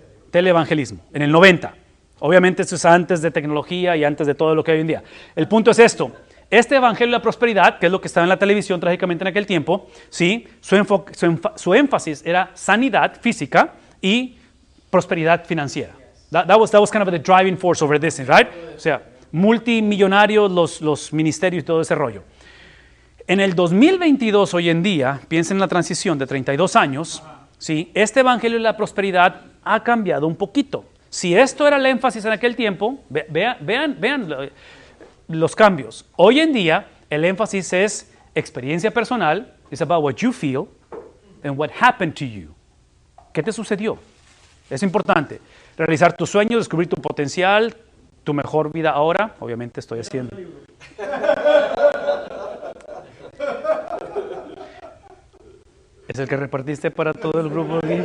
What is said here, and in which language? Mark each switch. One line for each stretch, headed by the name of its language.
Spanish: Teleevangelismo, en el 90. Obviamente esto es antes de tecnología y antes de todo lo que hay hoy en día. El punto es esto. Este evangelio de la prosperidad, que es lo que estaba en la televisión trágicamente en aquel tiempo, ¿sí? su énfasis era sanidad física y prosperidad financiera.
English: That was kind of the driving force over this, right?
Spanish: O sea, multimillonarios, los ministerios y todo ese rollo. En el 2022, hoy en día, piensen en la transición de 32 años, ¿sí? Este evangelio de la prosperidad ha cambiado un poquito. Si esto era el énfasis en aquel tiempo, vean los cambios. Hoy en día, el énfasis es experiencia personal.
English: It's about what you feel and what happened to you.
Spanish: ¿Qué te sucedió? Es importante. Realizar tus sueños, descubrir tu potencial, tu mejor vida ahora. Obviamente estoy haciendo. Es el que repartiste para todo el grupo.